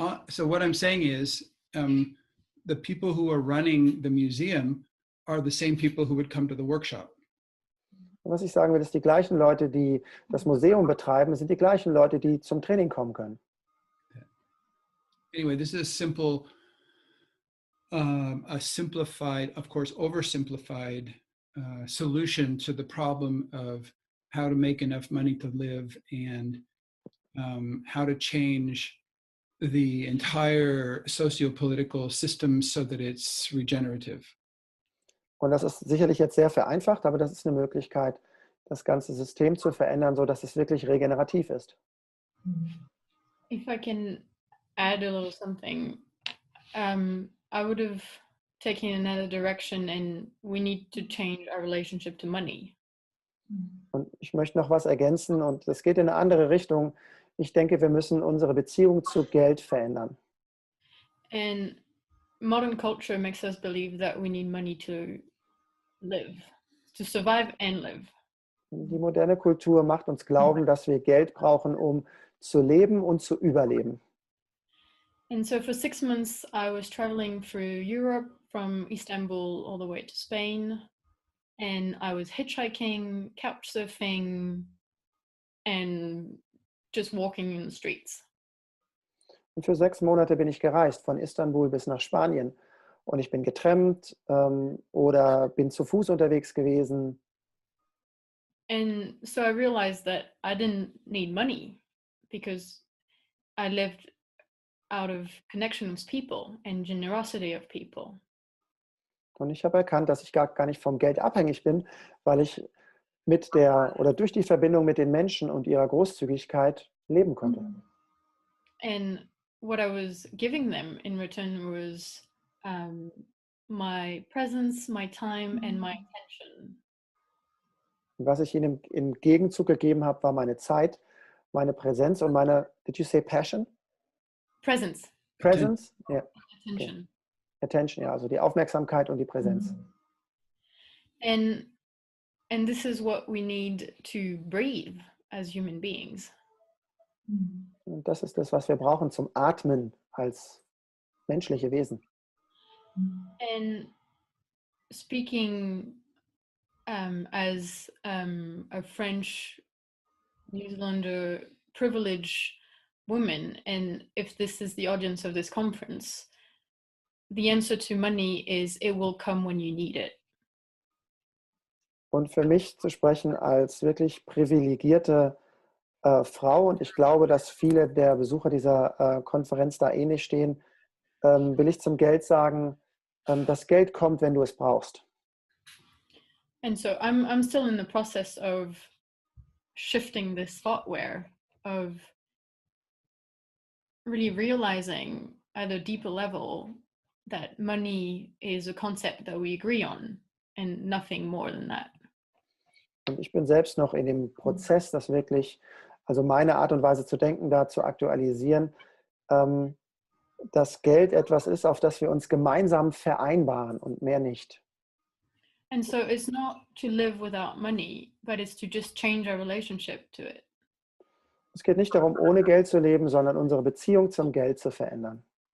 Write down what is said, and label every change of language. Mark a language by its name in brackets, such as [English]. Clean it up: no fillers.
[English] So what I'm saying is, the people who are running the museum are the same people who would come to the workshop. [German] Und was ich sagen will, ist, die gleichen Leute, die das Museum betreiben, sind die gleichen Leute, die zum Training kommen können. [English] Anyway, this is a simple, a simplified, of course, oversimplified solution to the problem of how to make enough money to live and how to change the entire socio-political system so that it's regenerative. [German] Und das ist sicherlich jetzt sehr vereinfacht, aber das ist eine Möglichkeit, das ganze System zu verändern, so dass es wirklich regenerativ ist. [English] If I can add a little something, I would have taken another direction and we need to change our relationship to money. [German] Und ich möchte noch was ergänzen und es geht in eine andere Richtung. Ich denke, wir müssen unsere Beziehung zu Geld verändern. [English] And modern culture makes us believe that we need money to live, to survive and live. [German] Die moderne Kultur macht uns glauben, dass wir Geld brauchen, um zu leben und zu überleben. [English] And so for 6 months I was traveling through Europe from Istanbul all the way to Spain. And I was hitchhiking, couchsurfing, and just walking in the streets. [German] Und für 6 Monate bin ich gereist, von Istanbul bis nach Spanien. Und ich bin getrampt oder bin zu Fuß unterwegs gewesen. [English] And so I realized that I didn't need money, because I lived out of connection with people and generosity of people. [German] Und ich habe erkannt, dass ich gar nicht vom Geld abhängig bin, weil ich mit der oder durch die Verbindung mit den Menschen und ihrer Großzügigkeit leben konnte. [English] And what I was giving them in return was my presence, my time and my attention. [German] Was ich ihnen im Gegenzug gegeben habe, war meine Zeit, meine Präsenz und meine, [English] did you say passion? Presence. Presence, yeah. Attention. Okay. [German] Attention, ja, also die Aufmerksamkeit und die Präsenz. [English] And this is what we need to breathe as human beings. [German] Und das ist das, was wir brauchen zum Atmen als menschliche Wesen. [English] And speaking as a French New Zealander privileged woman, and if this is the audience of this conference, the answer to money is it will come when you need it. [German] Und für mich zu sprechen als wirklich privilegierte Frau, und ich glaube, dass viele der Besucher dieser Konferenz da ähnlich stehen, will ich zum Geld sagen, das Geld kommt, wenn du es brauchst. [English] And so I'm still in the process of shifting this thoughtware, of really realizing at a deeper level that money is a concept that we agree on and nothing more than that. [German] Und ich bin selbst noch in dem Prozess, das wirklich, also meine Art und Weise zu denken, da zu aktualisieren, dass Geld etwas ist, auf das wir uns gemeinsam vereinbaren und mehr nicht. [English] And so it's not to live without money, but it's to just change our relationship to it. [German] Es geht nicht darum, ohne Geld zu leben, sondern unsere Beziehung zum Geld zu verändern.